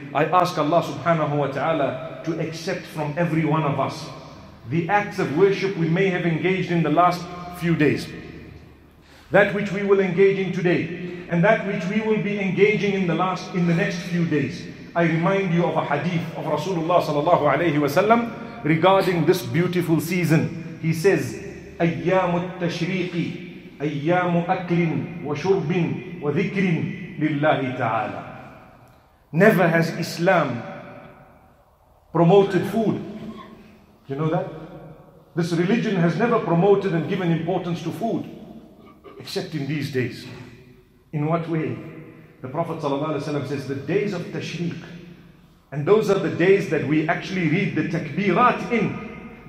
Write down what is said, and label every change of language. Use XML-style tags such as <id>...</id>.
<en>I ask Allah subhanahu wa ta'ala to accept from every one of us the acts of worship we may have engaged in the last few days. That which we will engage in today, and that which we will be engaging in the next few days. I remind you of a hadith of Rasulullah sallallahu alayhi wa sallam, regarding this beautiful season. He says,</en> <ar>أيام التشريق أيام أكل وشرب وذكر لله تعالى.</ar> <en>Never has Islam promoted food. You know that? This religion has never promoted and given importance to food, except in these days. In what way? The Prophet ﷺ says, the days of Tashriq, and those are the days that we actually read the takbirat in.</en>